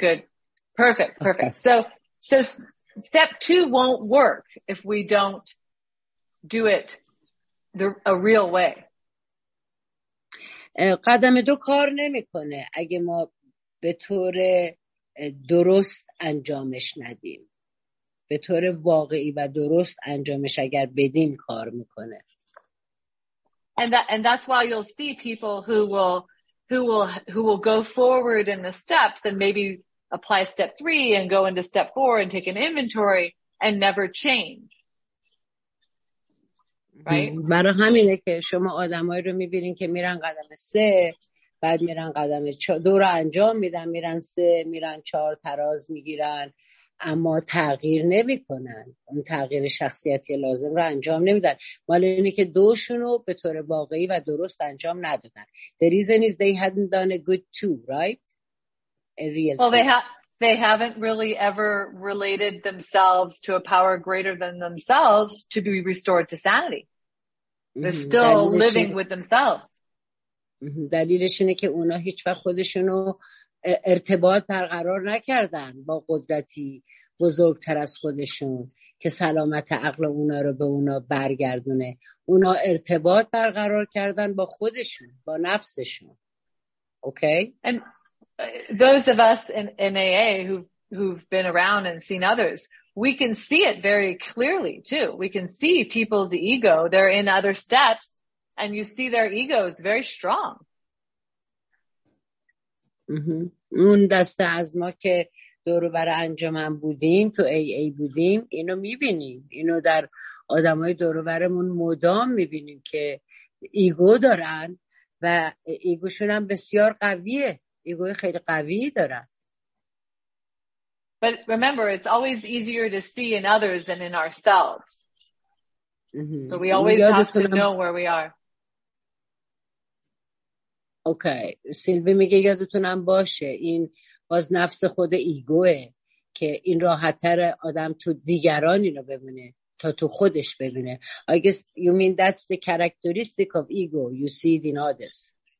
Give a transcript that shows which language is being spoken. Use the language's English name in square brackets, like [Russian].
[English] Good. Perfect. Okay. So step two won't work if we don't do it a real way. [Persian] قدم دو کار نمیکنه اگه ما به طور درست انجامش ندیم. به طور واقعی و درست انجامش اگر بدیم کار میکنه. [English] And that's why you'll see people who will go forward in the steps and maybe apply step 3 and go into step 4 and take an inventory and never change. Right? [Persian] برای همینه که شما آدمایی رو می‌بینین که میرن قدم 3 بعد میرن قدم 2 رو انجام میدن، میرن 3 میرن 4 تراز میگیرن اما تغییر نمی‌کنن. اون تغییر شخصیتی لازم رو انجام نمیدن. مال اینه که 2شون رو به طور واقعی و درست انجام ندادن. [English] The reason is they hadn't done a good 2, right? They haven't really ever related themselves to a power greater than themselves to be restored to sanity. They're still living with themselves. [Persian] دلیلش اینه که اونا هیچ وقت خودشونو ارتباط برقرار نکردن با قدرتی بزرگتر از خودشون که سلامت عقل اونا رو به اونا برگردونه. اونا ارتباط برقرار کردن با خودشون، با نفسشون. [English] Okay? Those of us in AA who've been around and seen others, we can see it very clearly too. We can see people's ego. They're in other steps and you see their ego is very strong. Mhm. [Persian] اون دسته از ما که دور و بر انجمن بودیم، تو AA بودیم، اینو می‌بینیم. اینو در آدمای دور و برمون مدام می‌بینیم که ایگو دارن و ایگوشون هم بسیار قویه. ایگوی خیلی قوی دارن. [English] But remember, it's always easier to see in others than in ourselves. So we always have to know where we are. [Persian] اوکی سیلوی میگه یادتونم باشه این باز نفس خود ایگوه که این راحت تر آدم تو دیگران اینو ببینه تا تو خودش ببینه. [English] I guess you mean that's the characteristic of ego you see it in others.